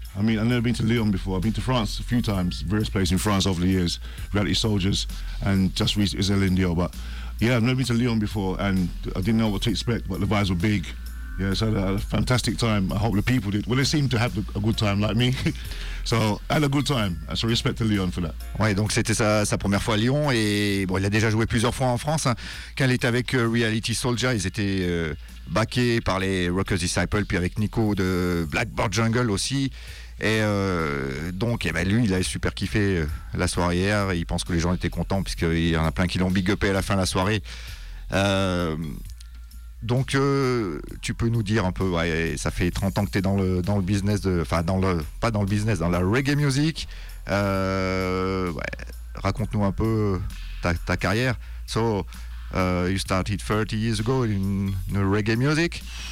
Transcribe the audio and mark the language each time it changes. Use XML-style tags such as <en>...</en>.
<en>I mean, I've never been to Lyon before. I've been to France a few times, various places in France over the years, Reality Soldiers, and just recently Aline Dio. But yeah, I've never been to Lyon before, and I didn't know what to expect, but the vibes were big. Yeah, so I had a fantastic time. I hope the people did. Well, they seemed to have a good time, like me. So, I had a good time. So, respect to Lyon for that.</en> <fr>Ouais, donc c'était sa première fois à Lyon. Et bon, il a déjà joué plusieurs fois en France. Hein, quand il était avec Reality Soldier, ils étaient backés par les Rockers Disciples, puis avec Nico de Blackboard Jungle aussi. Et donc, et ben lui, il a super kiffé la soirée hier. Il pense que les gens étaient contents, puisqu'il y en a plein qui l'ont big upé à la fin de la soirée. Donc, tu peux nous dire un peu, ouais, ça fait 30 ans que tu es dans le business, dans la reggae music. Ouais, raconte-nous un peu ta carrière.</fr> <en>So, you started 30 years ago in the reggae music.</en>